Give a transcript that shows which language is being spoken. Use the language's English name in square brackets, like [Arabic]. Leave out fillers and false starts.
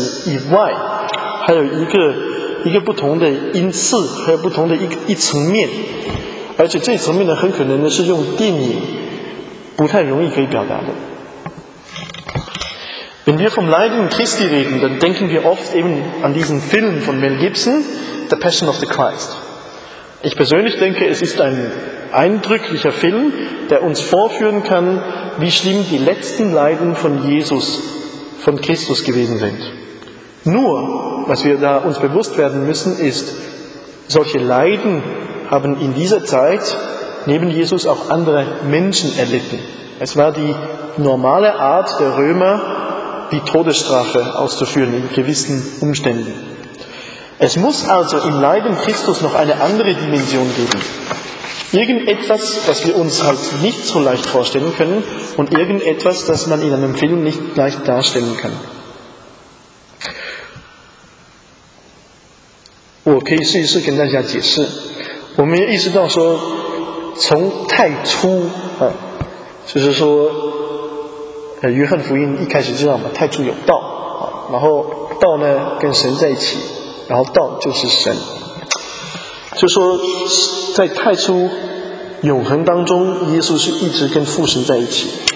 [Chinese] 但是，我们只能说被其他人鞭打，然后被别人打死，甚至那时候被钉在十字架上。除了耶稣以外，有没有人受这个苦？有。当时这个是罗马帝国普遍的一个惩罚人的一个方法。所以呢，主耶稣受难呢，他必须在此以外，还有一个。一个不同的因次，还有不同的一层面，而且这层面呢，很可能呢是用电影不太容易可以表达的。 [German] Wenn wir vom Leiden Christi reden, dann denken wir oft eben an diesen Film von Mel Gibson, The Passion of the Christ. Ich persönlich denke, es ist ein eindrücklicher Film, der uns vorführen kann, wie schlimm die letzten Leiden von Jesus, von Christus gewesen sind. Nur, was wir da uns bewusst werden müssen, ist, solche Leiden haben in dieser Zeit neben Jesus auch andere Menschen erlitten. Es war die normale Art der Römer, die Todesstrafe auszuführen in gewissen Umständen. Es muss also im Leiden Christus noch eine andere Dimension geben. Irgendetwas, das wir uns halt nicht so leicht vorstellen können und irgendetwas, das man in einem Film nicht leicht darstellen kann. [Chinese] 我可以试一试跟大家解释，我们意识到说，从太初，就是说，约翰福音一开始知道嘛，太初有道，然后道呢跟神在一起，然后道就是神，就说在太初永恒当中，耶稣是一直跟父神在一起。